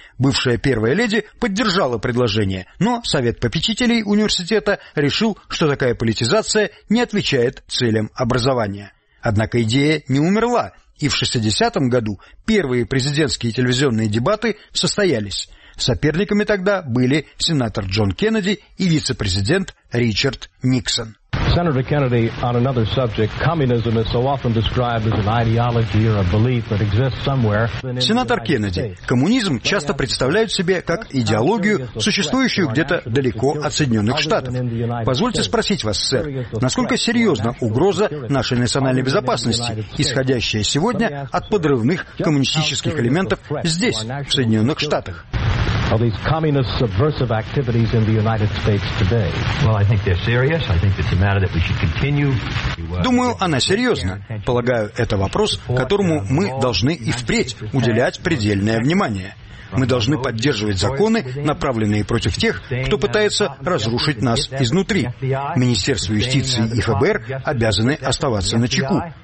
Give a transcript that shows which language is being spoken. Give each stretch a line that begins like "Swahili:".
Russian: Бывшая первая леди поддержала предложение, но совет попечителей университета решил, что такая политизация не отвечает целям образования. Однако идея не умерла. И в 60-м году первые президентские телевизионные дебаты состоялись. Соперниками тогда были сенатор Джон Кеннеди и вице-президент Ричард Никсон.
English: Senator Kennedy, on another subject, communism is so often described as an ideology or a belief that exists somewhere.
Russian: Сенатор Кеннеди, коммунизм часто представляют себе как идеологию, существующую где-то далеко от Соединенных Штатов. Позвольте спросить вас, сэр, насколько серьезна угроза нашей национальной безопасности, исходящая сегодня от подрывных коммунистических элементов здесь, в Соединенных Штатах?
English: Are these communist subversive activities in the United States today? Well, I think they're serious. I think it's a matter that we should continue.
Russian: Думаю, она серьезна. Полагаю, это вопрос, которому мы должны и впредь уделять предельное внимание. Мы должны поддерживать законы, направленные против тех, кто пытается разрушить нас изнутри. Министерство юстиции и ФБР обязаны оставаться начеку.